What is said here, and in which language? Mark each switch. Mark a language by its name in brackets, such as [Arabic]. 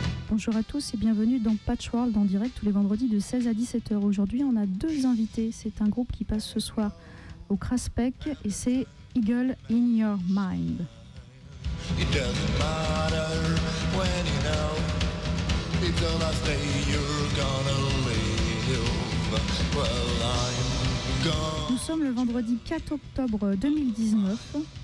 [French] Bonjour à tous et bienvenue dans Patchworld en direct tous les vendredis de 16 à 17h. Aujourd'hui, on a deux invités. C'est un groupe qui passe ce soir au Kraspec et c'est Eagle in Your Mind. [English] It doesn't matter when you know. It's the last day you're gonna live. Well, I'm gone. [French] Nous sommes le vendredi 4 octobre 2019.